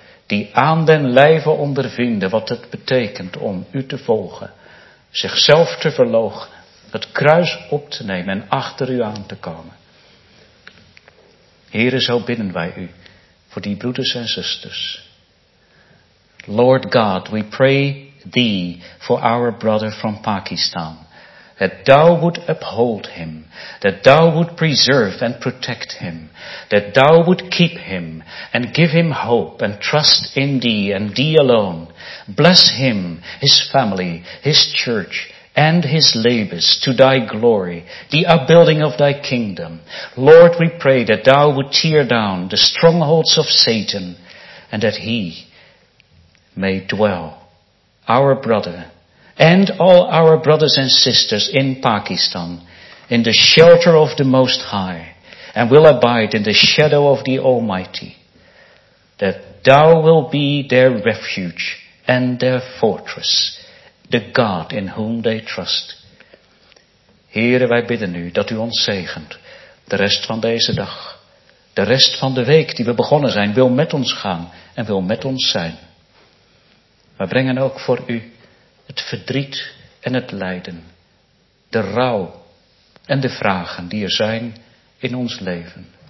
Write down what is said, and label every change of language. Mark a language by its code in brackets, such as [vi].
[nl] Die aan den lijve ondervinden wat het betekent om u te volgen, zichzelf te verloochenen, het kruis op te nemen en achter u aan te komen. Heere, zo bidden wij u voor die broeders en zusters. [en] Lord God, we pray thee for our brother from Pakistan, that thou would uphold him, that thou would preserve and protect him, that thou would keep him and give him hope and trust in thee and thee alone. Bless him, his family, his church, and his labors to thy glory, the upbuilding of thy kingdom. Lord, we pray that thou would tear down the strongholds of Satan and that he may dwell, our brother, and all our brothers and sisters in Pakistan, in the shelter of the Most High, and will abide in the shadow of the Almighty, that thou will be their refuge and their fortress, the God in whom they trust. [nl] Heere, wij bidden u dat u ons zegent, de rest van deze dag, de rest van de week die we begonnen zijn, wil met ons gaan en wil met ons zijn. Wij brengen ook voor u het verdriet en het lijden, de rouw en de vragen die er zijn in ons leven.